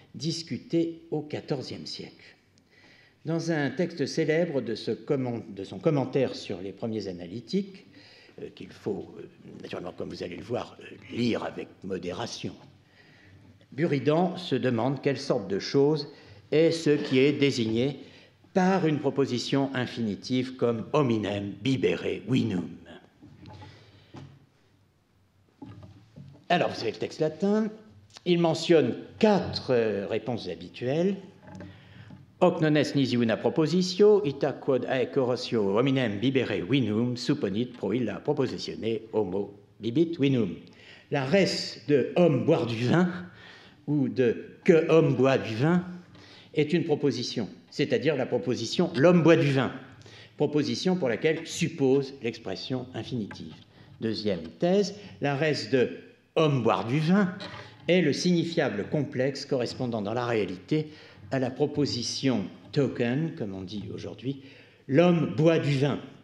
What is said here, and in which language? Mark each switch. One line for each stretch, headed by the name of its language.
French: discutée au XIVe siècle. Dans un texte célèbre de son commentaire sur les premiers analytiques, qu'il faut, naturellement, comme vous allez le voir, lire avec modération, Buridan se demande quelle sorte de chose est ce qui est désigné par une proposition infinitive comme «
Latin: hominem bibere winum ».
French: Alors, vous avez le texte latin, il mentionne quatre réponses habituelles.
Latin: Hoc non est nisi una propositio, ita quod haec oratio hominem bibere winum, supponit pro illa propositione homo bibit winum.
French: La res de homme boire du vin, ou de que homme boit du vin, est une proposition, c'est-à-dire la proposition l'homme boit du vin, proposition pour laquelle suppose l'expression infinitive. Deuxième thèse, la res de homme boire du vin est le signifiable complexe correspondant dans la réalité à la proposition token, comme on dit aujourd'hui, l'homme boit du vin.